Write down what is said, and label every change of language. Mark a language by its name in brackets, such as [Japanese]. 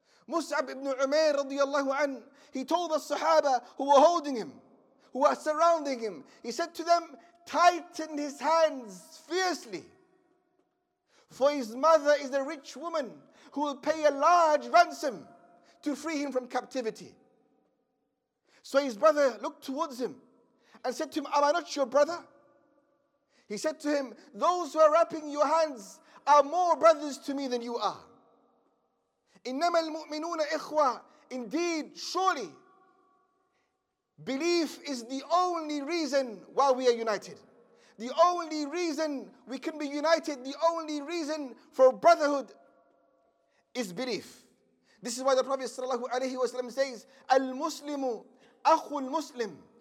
[English] Mus'ab ibn Umair radiyallahu an, he told the Sahaba who were holding him, who were surrounding him, he said to them, tighten his hands fiercely, for his mother is a rich woman who will pay a large ransom to free him from captivity. So his brother looked towards him and said to him, am I not your brother? He said to him, those who are wrapping your hands are more brothers to me than you are. [Arabic] إِنَّمَا الْمُؤْمِنُونَ إِخْوَةٌ. [English] Indeed, surely, Belief is the only reason why we are united. The only reason we can be united, the only reason for brotherhood is belief. This is why the Prophet sallallahu alayhi wa sallam says, [Arabic] Al-Muslimu Akhul Muslim.